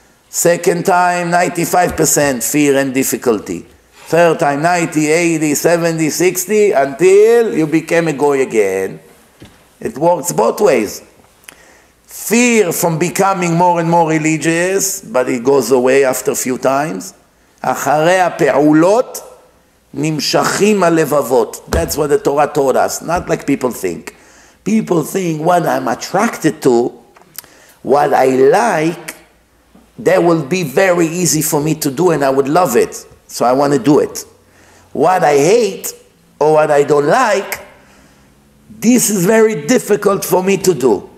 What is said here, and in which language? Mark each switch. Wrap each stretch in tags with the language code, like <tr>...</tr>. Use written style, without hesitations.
<en>Second time, 95% fear and difficulty. Third time, 90, 80, 70, 60, until you became a goy again. It works both ways. Fear from becoming more and more religious, but it goes away after a few times.</en> <he>אחרי הפעולות נמשכים הלבבות.</he> <en>That's what the Torah taught us. Not like people think. People think what I'm attracted to, what I like, that will be very easy for me to do and I would love it. So I want to do it. What I hate or what I don't like, this is very difficult for me to do.</en>